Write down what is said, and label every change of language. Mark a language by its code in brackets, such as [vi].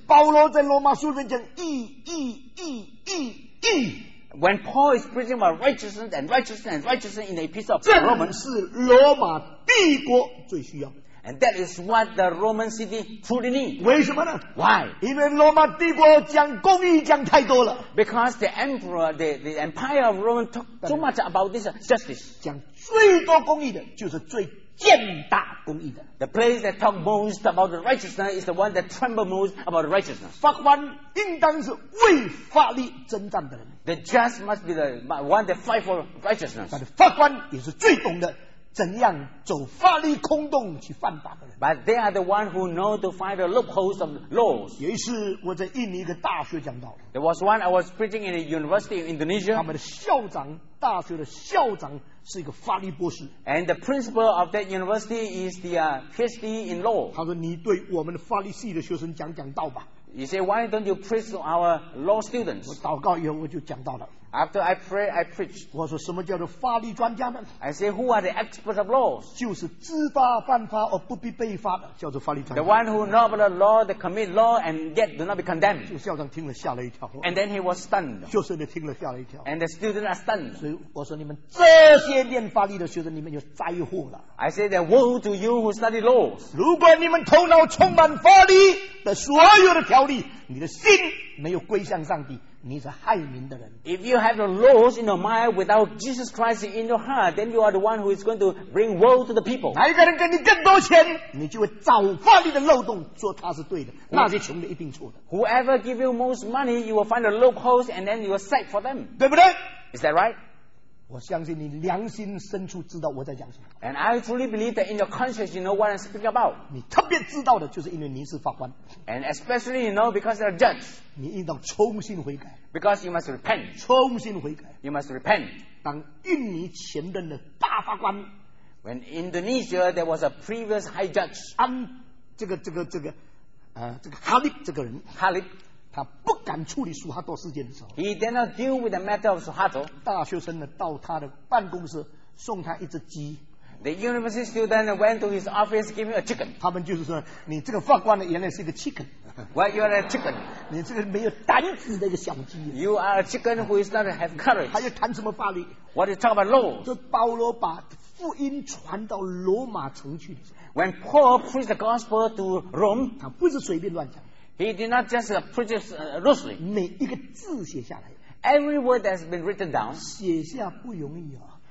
[zh] 保罗在罗马书里面讲义义义义义。 [en] When Paul is preaching about righteousness and righteousness and righteousness in the epistle of Romans, [zh] 这是罗马帝国最需要。 [en] And that is what the Roman city truly needs. [zh] 为什么呢？ [en] Why? [zh] 因为罗马帝国讲公义讲太多了。 [en] Because the emperor, the empire of Rome talk too much about this justice. [zh] 讲最多公义的就是最践踏公义的。 [en] The place that talk most about the righteousness is the one that tremble most about the righteousness. [zh] 法官应当是为法律征战的人。 [en] The just must be the one that fight for righteousness. [zh] 但是法官也是最懂的。怎样走法律空洞去犯法的人。 [en] But they are the one who know to find the loopholes of laws. [zh] 有一次我在印尼一个大学讲道。 [en] There was one I was preaching in a university in Indonesia. [zh] 他们的校长，大学的校长是一个法律博士。 [en] And the principal of that university is the PhD in law. [zh] 他说你对我们法律系的学生讲讲道吧。 [en] He said, why don't you preach to our law students? [zh] 我祷告以后我就讲到了。 [en] After I pray, I preach. [zh] 我说什么叫做法律专家呢？ [en] I say, who are the experts of laws? [zh] 就是知法犯法而不必被罚的叫做法律专家。 [en] The one who know about the law, they commit law and yet do not be condemned. [zh] 就校长听了吓了一跳。 [en] And then he was stunned. [zh] 就是你听了吓了一跳。 [en] And the students are stunned. [zh] 所以我说你们这些念法律的学生，你们有灾祸了。 [en] I say, woe to you who study laws. [zh] 如果你们头脑充满法律的所有的条例，你的心没有归向上帝，你是害民的人。 [en] If you have the laws in your mind without Jesus Christ in your heart, then you are the one who is going to bring woe to the people. [zh] 哪一个人给你更多钱，你就会找法律的漏洞，说他是对的，那些穷的一定错的。 [en] Whoever give you most money, you will find the loopholes and then you will cite for them. [zh] 对不对？ [en] Is that right? [zh] 我相信你良心深处知道我在讲什么。 [en] And I truly believe that in your conscience you know what I'm speaking about. [zh] 你特别知道的就是因为你是法官。 [en] And especially you know because you're a judge. [zh] 你应当重新悔改。 [en] Because you must repent. [zh] 重新悔改。 [en] You must repent. [zh] 当印尼前任的大法官。 [en] When Indonesia there was a previous high judge. [zh] 哈利他不敢处理苏哈多事件的时候， [en] He did not deal with the matter of Suharto. [zh] 大学生呢到他的办公室送他一只鸡。 [en] The university student went to his office giving a chicken. [zh] 他们就是说，你这个法官呢原来是一个 chicken. [en] Why you are a chicken? [zh] 你这个没有胆子的一个小鸡。 [en] You are a chicken who is not have courage. [zh] 还要谈什么法律？ [en] What you talk about law? [zh] 就保罗把福音传到罗马城去。 [en] When Paul preached the gospel to Rome, [zh] 他不是随便乱讲。 [en] He did not just preach loosely. [zh] 每一个字写下来。 [en] Every word that has been written down. [zh] 写下不容易啊。